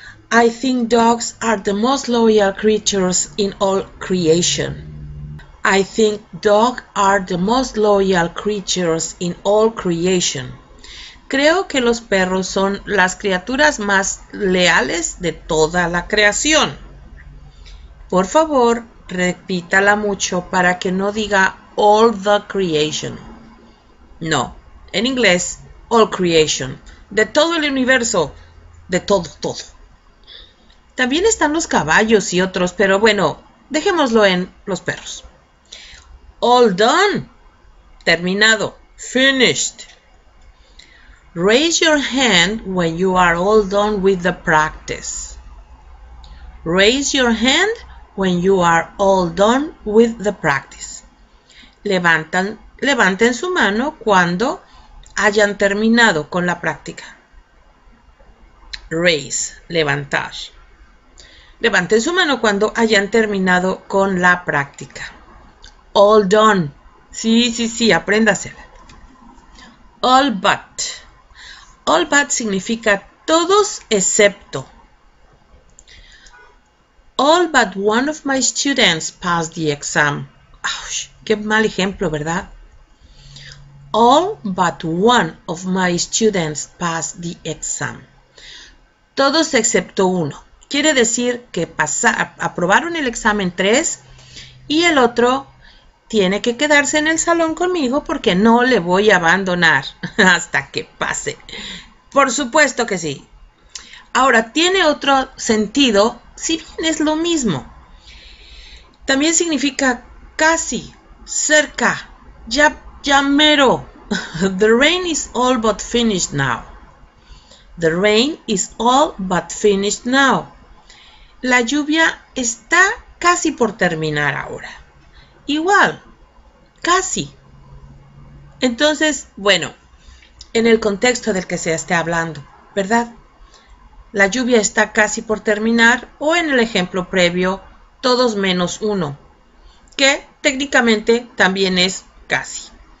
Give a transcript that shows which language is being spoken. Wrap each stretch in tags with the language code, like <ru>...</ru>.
<en>I think dogs are the most loyal creatures in all creation. I think dogs are the most loyal creatures in all creation.</en> <es>Creo que los perros son las criaturas más leales de toda la creación. Por favor, repítala mucho para que no diga</es> <en>all the creation.</en> <es>No, en inglés,</es> <en>all creation.</en> <es>De todo el universo, de todo, todo. También están los caballos y otros, pero bueno, dejémoslo en los perros.</es> <en>All done.</en> <es>Terminado.</es> <en>Finished. Raise your hand when you are all done with the practice. Raise your hand. When you are all done with the practice.</en> <es>Levanten su mano cuando hayan terminado con la práctica. Raise, levantar. Levanten su mano cuando hayan terminado con la práctica.</es> <en>All done.</en> <es>Sí, apréndasela.</es> <en>All but. All but</en> <es>significa todos excepto.</es> <en>All but one of my students passed the exam.</en> <es>Ouch, qué mal ejemplo, ¿verdad?</es> <en>All but one of my students passed the exam.</en> <es>Todos excepto uno. Quiere decir que aprobaron el examen 3, y el otro tiene que quedarse en el salón conmigo porque no le voy a abandonar hasta que pase. Por supuesto que sí. Ahora, tiene otro sentido, si bien es lo mismo. También significa casi, cerca, ya mero.</es> <en>The rain is all but finished now. The rain is all but finished now.</en> <es>La lluvia está casi por terminar ahora. Igual, casi. Entonces, bueno, en el contexto del que se esté hablando, ¿verdad? La lluvia está casi por terminar, o en el ejemplo previo, todos menos uno, que técnicamente también es casi.</es>